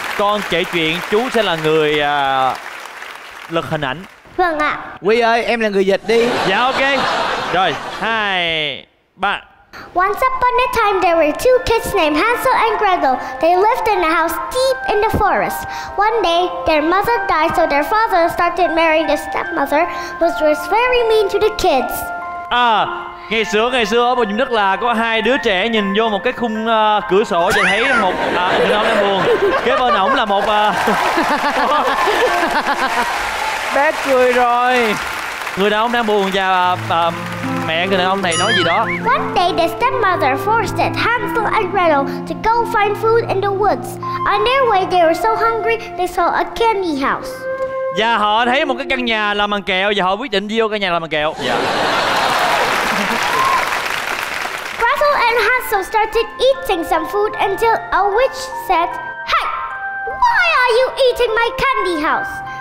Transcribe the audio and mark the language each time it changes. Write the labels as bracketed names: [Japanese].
[Vietnamese] Con kể chuyện, chú sẽ là người lật hình ảnh. Vâng ạ. Quy ơi, em là người dịch đi. Dạ ok. Rồi, 2, 3. [English] Once upon a time, there were two kids named Hansel and Gretel. They lived in a house deep in the forest. One day, their mother died, so their father started marrying the stepmother, which was very mean to the kids. [Vietnamese] Ngày xưa ở một vùng đất là có hai đứa trẻ nhìn vô một cái khung cửa sổ và thấy một ông đang buồn. Kế bên ổng là một bé cười rồi. Người đàn ông đang buồn và mẹ người đàn ông này nói gì đó. [English] One day the stepmother forced Hansel and Gretel to go find food in the woods. On their way they were so hungry they saw a candy house. [Vietnamese] Và họ thấy một cái căn nhà làm bằng kẹo và họ quyết định đi vô căn nhà làm bằng kẹo. [English] Yeah. Gretel and Hansel started eating some food until a witch said, "Hey, why are you eating my candy house?"